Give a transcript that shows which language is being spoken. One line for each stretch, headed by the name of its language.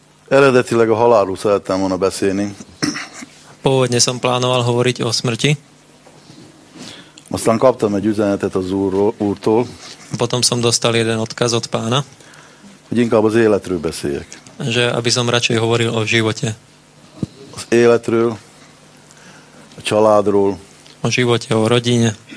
Hungarian: Eredetileg o haláru szerettem volna beszélni.
Slovak: Pôvodne som plánoval hovoriť o smrti.
Hungarian: Aztán kaptam egy üzenetet az úrtól.
Slovak: Potom som dostal jeden odkaz od pána.
Hungarian: Hogy inkább az életről beszéljek.
Slovak: Že aby som radšej hovoril o živote.
Hungarian: Az életről, a családról.
Slovak: O živote, o rodine.